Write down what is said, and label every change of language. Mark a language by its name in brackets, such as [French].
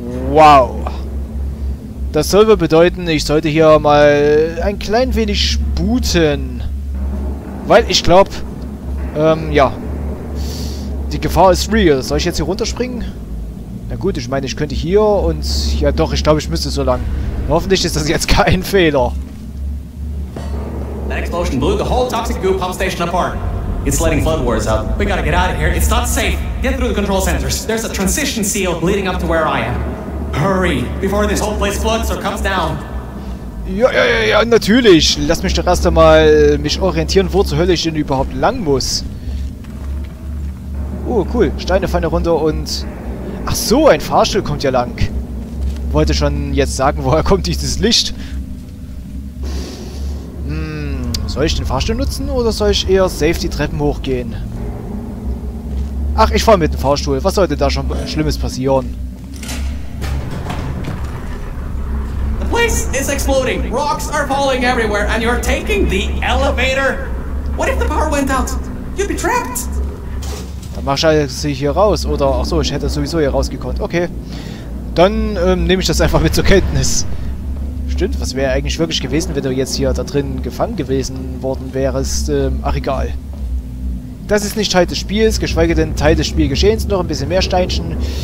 [German] Wow. Das soll wohl bedeuten, ich sollte hier mal ein klein wenig sputen. Weil ich glaube, ja. Die Gefahr ist real. Soll ich jetzt hier runterspringen? Na gut, ich meine, ich könnte hier und... Ja doch, ich glaube, ich müsste so lang. Hoffentlich ist das jetzt kein Fehler. [English] That explosion blew the whole toxic goo pump station apart. It's letting flood wars up. We gotta get out of here. It's not safe. Get through the control centers. There's a transition seal leading up to where I am. Hurry, before this whole place floods or comes down. [German] Ja, natürlich. Lass mich doch erst einmal mich orientieren, wo zur Hölle ich denn überhaupt lang muss. Oh, cool. Steine fallen runter und... Ach so, ein Fahrstuhl kommt ja lang. Wollte schon jetzt sagen, woher kommt dieses Licht? Soll ich den Fahrstuhl nutzen oder soll ich eher safe die Treppen hochgehen? Ach, ich fahre mit dem Fahrstuhl. Was sollte da schon Schlimmes passieren? [English] The place is exploding. Rocks are falling everywhere and you're taking the elevator. What if the power went out? You'd be trapped. [German] Dann mach ich sie hier raus oder ach so, ich hätte sowieso hier rausgekonnt. Okay. Dann nehme ich das einfach mit zur Kenntnis. Stimmt, was wäre eigentlich wirklich gewesen, wenn du jetzt hier da drin gefangen gewesen worden wärst? Ach, egal. Das ist nicht Teil des Spiels, geschweige denn Teil des Spielgeschehens. Noch ein bisschen mehr Steinchen.